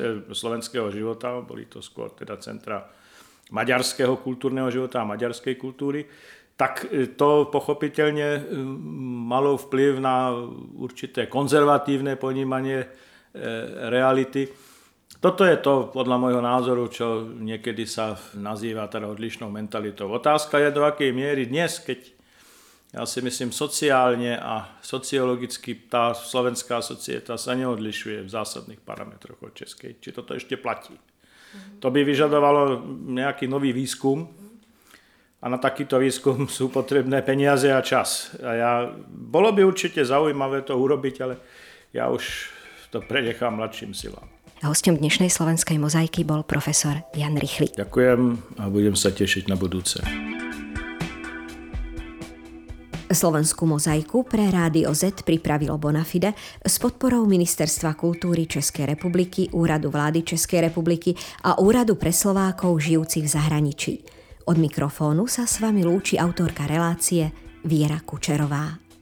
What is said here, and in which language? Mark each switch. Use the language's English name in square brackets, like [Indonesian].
[Slovak] slovenského života, boli to skôr teda centra maďarského kultúrneho života a maďarskej kultúry, tak to pochopiteľne malo vplyv na určité konzervatívne ponímanie reality. Toto je to, podľa môjho názoru, čo niekedy sa nazýva teda odlišnou mentalitou. Otázka je, do akej miery dnes, keď [Czech] Já si myslím, sociálně a sociologicky ta slovenská societa se neodlišuje v zásadných parametroch od české. Či toto ještě platí? To by vyžadovalo nějaký nový výzkum a na takýto výzkum jsou potřebné peníze a čas. [Slovak] A já, [Czech] bylo by určitě [Slovak] zaujímavé to urobiť, ale já už to prenechám mladším silám. Hostem dnešnej slovenskej mozaiky bol profesor Jan Rychlík. Ďakujem a budem sa tešiť na budúce. Slovenskú mozaiku pre Rádio Z pripravilo Bonafide s podporou Ministerstva kultúry Českej republiky, Úradu vlády Českej republiky a Úradu pre Slovákov žijúcich v zahraničí. Od mikrofónu sa s vami lúči autorka relácie Viera Kučerová.